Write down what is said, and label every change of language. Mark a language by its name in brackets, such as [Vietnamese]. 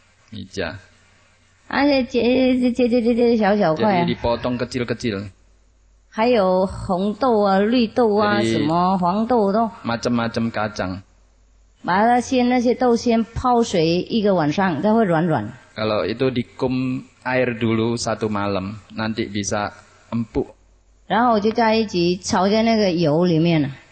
[Indonesian] Ija. [Chinese] 而且切切切切切小小块。 [Indonesian] Jadi dipotong kecil-kecil. [Chinese] 还有红豆啊，绿豆啊，什么黄豆都。 [Indonesian] Macam-macam kacang. [Chinese] 把那些豆先泡水一个晚上，它会软软。 [Indonesian] Kalau itu dikum air dulu satu malam, nanti bisa empuk. [Chinese] 然后就在一起炒在那个油里面。